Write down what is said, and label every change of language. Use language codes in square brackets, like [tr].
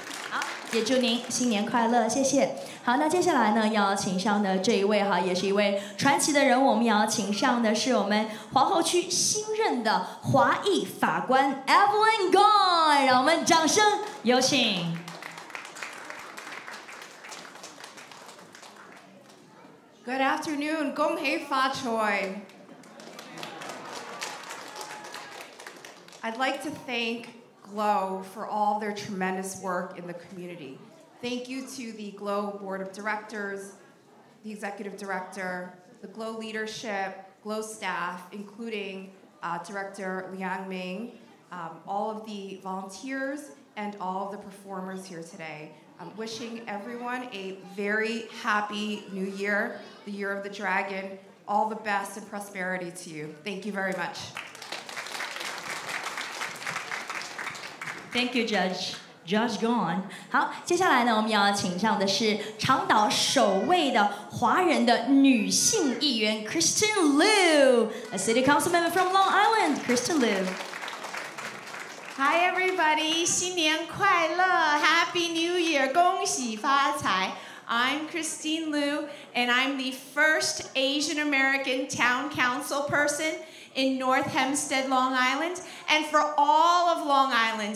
[zh] 好，也祝您新年快乐，谢谢。好，那接下来呢，要请上的这一位哈，也是一位传奇的人物，我们要请上的是我们皇后区新任的华裔法官 Evelyn Gong， 让我们掌声有请。 [en] Good afternoon， [zh] 恭喜发财。 [en] I'd like to thank GLOW for all their tremendous work in the community. Thank you to the GLOW Board of Directors, the Executive Director, the GLOW Leadership, GLOW Staff, including Director Liang Ming, all of the volunteers, and all of the performers here today. I'm wishing everyone a very happy new year, the year of the dragon, all the best and prosperity to you. Thank you very much. Thank you, Judge. Judge Gone. [zh] 好，接下来呢，我们要请上的是长岛首位的华人的女性议员 Kristen Liu, [en] a city council member from Long Island, [zh] Kristen Liu. [en] Hi, everybody. [zh] 新年快乐 [en] ，Happy New Year. [zh] 恭喜发财。 [en] I'm Kristen Liu, and I'm the first Asian American town council person. In North Hempstead, Long Island, and for all of Long Island.